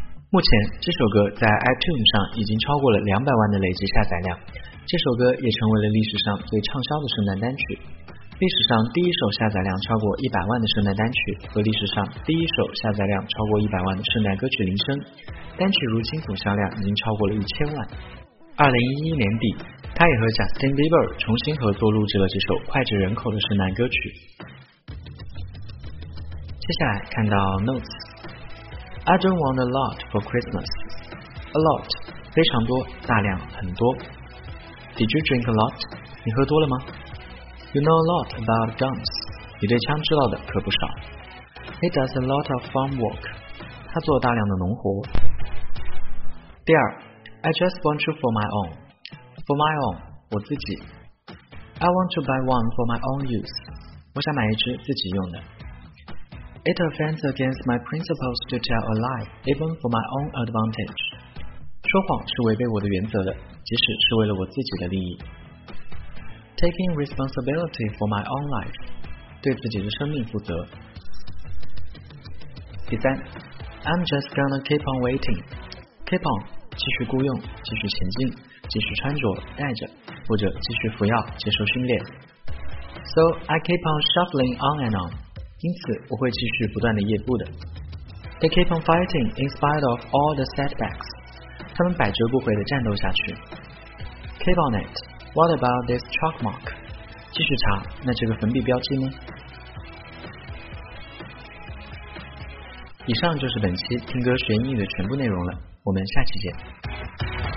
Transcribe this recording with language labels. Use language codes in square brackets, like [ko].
[zh] 目前这首歌在 iTunes 上已经超过了200万的累计下载量，这首歌也成为了历史上最畅销的圣诞单曲，历史上第一首下载量超过100万的圣诞单曲和历史上第一首下载量超过100万的圣诞歌曲铃声，单曲如今总销量已经超过了1000万。 2011年底他也和 Justin Bieber 重新合作录制了这首脍炙人口的圣诞歌曲。接下来看到 Notes。 [en] I don't want a lot for Christmas. [zh] A lot 非常多，大量，很多。 [en] Did you drink a lot? [zh] 你喝多了吗？ [en] You know a lot about guns. [zh] 你对枪知道的可不少。 [en] He does a lot of farm work. [zh] 他做大量的农活。第二， [en] I just want you for my own. For my own, [zh] 我自己。 [en] I want to buy one for my own use. [zh] 我想买一只自己用的。 [en] It offends against my principles to tell a lie, even for my own advantage. [zh] 说谎是违背我的原则的，即使是为了我自己的利益。 [en] Taking responsibility for my own life, [zh] 对自己的生命负责。第三， [en] I'm just gonna keep on waiting. [zh] Keep on, 继续雇佣，继续前进，继续穿着带着，或者继续服药接受训练。 [en] So I keep on shuffling on and on, [zh] 因此我会继续不断的夜步的。 [en] They keep on fighting in spite of all the setbacks, [zh] 他们百折不回的战斗下去。 [en] Keep on it,What about this chalk mark? [zh] 继续查，那这个粉笔标记呢？以上就是本期听歌学英语的全部内容了，我们下期见。